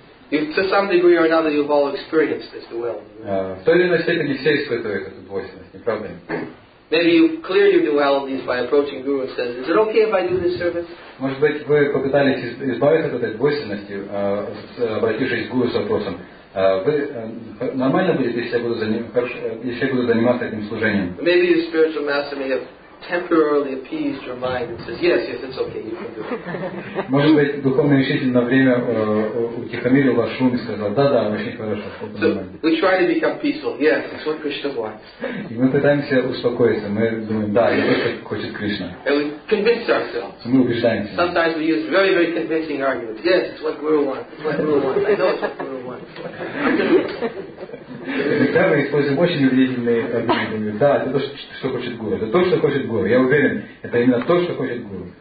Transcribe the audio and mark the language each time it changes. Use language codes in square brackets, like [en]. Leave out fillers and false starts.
[en] If to some degree or another you've all experienced this duality. [ru] В той или иной степени все испытывают эту двойственность, не правда ли? [en] Maybe you clear your dualities by approaching Guru and says, Is it okay if I do this service? [ru] Может быть, вы попытались избавиться от этой двойственности, обратившись к Гуру с вопросом. Вы нормально будет, если я буду заниматься этим служением? [en] Maybe your spiritual master may have temporarily appeased your mind and says, yes, it's okay, you can do it. [ru] Может быть, духовный учитель на время утихомирил ваш ум и сказал, да, очень хорошо. [en] So, we try to become peaceful, yes, it's what Krishna wants. [ru] И мы пытаемся успокоиться, мы думаем, да, это то, что хочет Кришна. [en] And we convince ourselves. [ru] Мы убеждаемся. [en] Sometimes we use very, very convincing arguments. Yes, it's what Guru wants, it's what Guru wants. I know it's what Guru wants. [ru] Иногда мы используем очень убедительные аргументы. Да, это то, что хочет Гуру. Это то, что хочет Гуру. Я уверен, это именно то, что хочет Гуру.